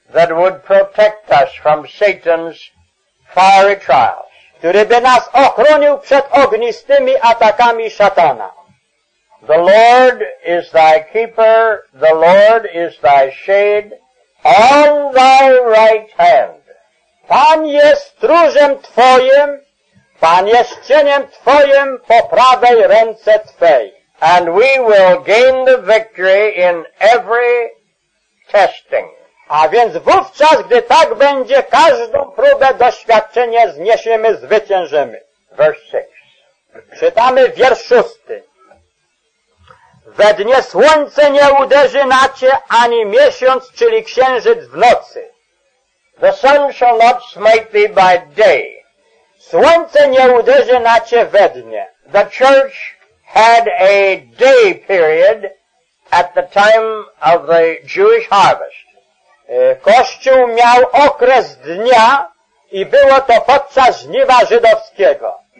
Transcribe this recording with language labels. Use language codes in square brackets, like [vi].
[en] that would protect us from Satan's fiery trials. [pl] Który by nas ochronił przed ognistymi atakami szatana. [en] The Lord is thy keeper, the Lord is thy shade, on thy right hand. [pl] Pan jest stróżem twoim, Pan jest cieniem twoim po prawej ręce twej. [en] And we will gain the victory in every testing. [pl] A więc wówczas, gdy tak będzie, każdą próbę doświadczenia zniesiemy, zwyciężymy. [en] Verse 6. [pl] Czytamy wiersz 6. We dnie słońce nie uderzy na cię, ani miesiąc, czyli księżyc w nocy. [en] The sun shall not smite thee by day. [pl] Słońce nie uderzy na cię we dnie. [en] The church had a day period at the time of the Jewish harvest. [pl] Kościół miał okres dnia i było to podczas żniwa żydowskiego.